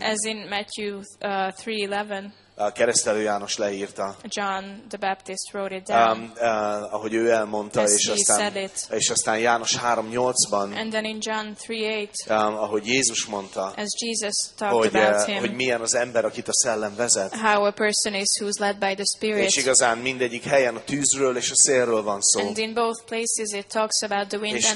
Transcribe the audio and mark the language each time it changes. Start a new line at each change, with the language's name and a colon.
English: As in Matthew 3:11.
Hungarian: A keresztelő János leírta.
English: John the Baptist wrote it down.
Hungarian: Ahogy ő elmondta, és aztán János 3:8-ban.
English: And then in John 3:8.
Hungarian: Ahogy Jézus mondta.
English: As Jesus talked
Hungarian: hogy,
English: about him.
Hungarian: Hogy milyen az ember, akit a szellem vezet.
English: How a person is who's led by the Spirit.
Hungarian: És igazán mindegyik helyen a tűzről és a szélről van szó.
English: And in both places it talks about the wind and